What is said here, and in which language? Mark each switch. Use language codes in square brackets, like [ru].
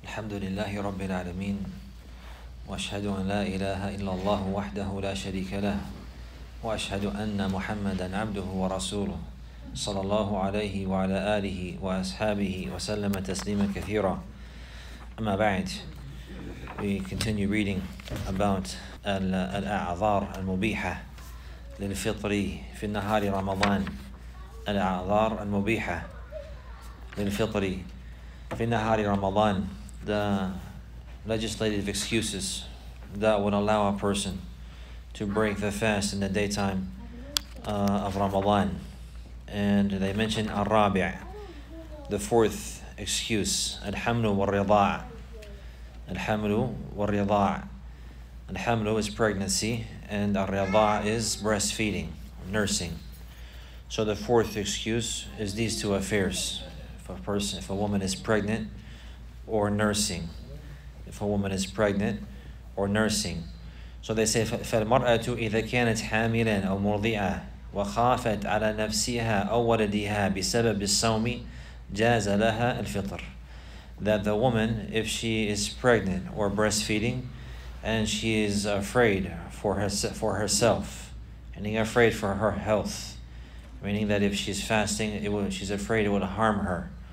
[ar] الحمد لله رب العالمين وأشهد أن لا إله إلا الله وحده لا شريك له وأشهد أن محمدا عبده ورسوله صلى الله عليه وعلى آله وأصحابه وسلم تسليما كثيرا أما بعد. [en] We continue reading about [ar] الأعذار المبيحة للفطر في نهار رمضان. الأعذار المبيحة للفطر في نهار رمضان. [en] The legislative excuses that would allow a person to break the fast in the daytime of Ramadan. And they mention al-rabi', the fourth excuse, al-hamlu wal-rida'. Al-hamlu wal-rida'. Al-hamlu is pregnancy and al-rida' is breastfeeding, nursing. So the fourth excuse is these two affairs. If a woman is pregnant or nursing. If a woman is pregnant or nursing. So they say, [ar] فَالْمَرْأَةُ إِذَا كَانَتْ حَامِلًا أَوْ مُرْضِعًا وَخَافَتْ عَلَى نَفْسِهَا أَوْ وَلَدِهَا بِسَبَبِ الصَّوْمِ جَازَ لَهَا الْفِطْرِ. [en] That the woman, if she is pregnant or breastfeeding, and she is afraid for herself, meaning afraid for her health, meaning that if she's fasting, she's afraid it would harm her.